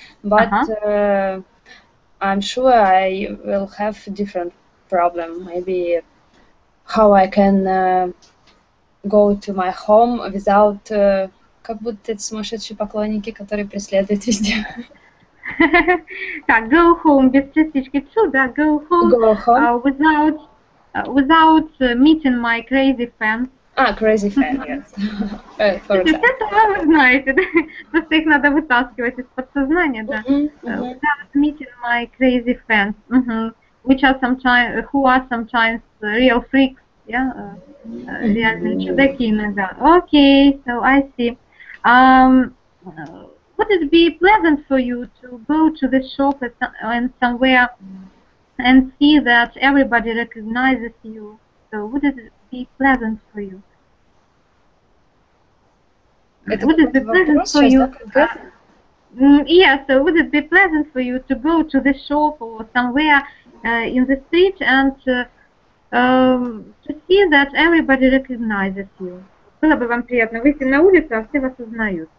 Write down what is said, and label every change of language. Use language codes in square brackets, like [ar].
[en] But I'm sure I will have a different problem. Maybe how I can go to my home without... [ru] Как будто эти сумасшедшие поклонники, которые преследуют везде. Так, [en] go home, [ru] без частички [en] two, [ru] да? [en] Go home, without meeting my crazy fans. А, crazy fan, yes. [ru] Это вы знаете, просто их надо вытаскивать из подсознания, да. [en] Without meeting my crazy fans, who are sometimes real freaks, yeah? [ru] Реальные чудаки иногда. [en] Okay, so I see. Would it be pleasant for you to go to the shop and somewhere and see that everybody recognizes you? So would it be pleasant for you? Would it be pleasant for you to go to the shop or somewhere in the street and to see that everybody recognizes you? [ru] Было бы вам приятно выйти на улицу, а все вас узнают.